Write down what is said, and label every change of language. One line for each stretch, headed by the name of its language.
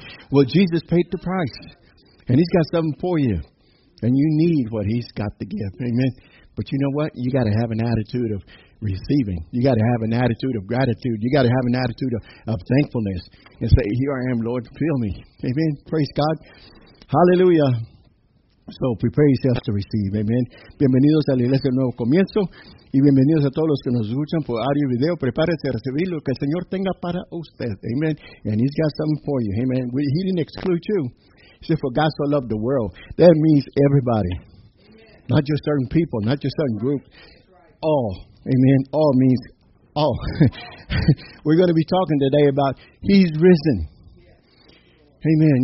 English: Well, Jesus paid the price, and he's got something for you, and you need what he's got to give. Amen. But you know what? You got to have an attitude of receiving. You got to have an attitude of gratitude. You got to have an attitude of thankfulness and say, here I am, Lord, fill me. Amen. Praise God. Hallelujah. So prepare yourself to receive. Amen.
Spanish: Bienvenidos a la Iglesia Nuevo Comienzo. Y bienvenidos a todos los que nos escuchan por audio y video. Prepárense a recibir lo que el Señor tenga para usted. Amen.
English: And he's got something for you. Amen. He didn't exclude you. He said, for God so loved the world. That means everybody. Amen. Not just certain people. Not just certain groups. Right. All. Amen. All means all. We're going to be talking today about he's risen. Yes. Amen.